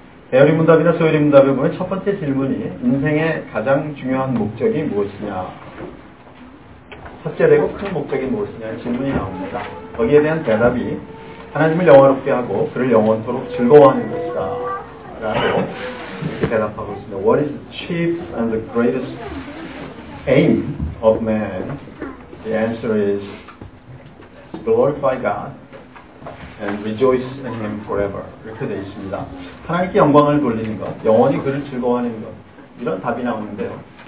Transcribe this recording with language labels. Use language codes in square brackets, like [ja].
[ko] 배율리 문답이나 소유리 문답에 보면 첫 번째 질문이 인생의 가장 중요한 목적이 무엇이냐, 첫째되고 큰 목적이 무엇이냐는 질문이 나옵니다. 거기에 대한 대답이 하나님을 영화롭게 하고 그를 영원토록 즐거워하는 것이다 라고 이렇게 대답하고 있습니다. [en] What is the chief and the greatest aim of man? The answer is to glorify God and rejoice in Him forever. [ko] 이렇게 되어 있습니다. 하나님께 영광을 돌리는 것, 영원히 그를 즐거워하는 것, 이런 답이 나오는데요.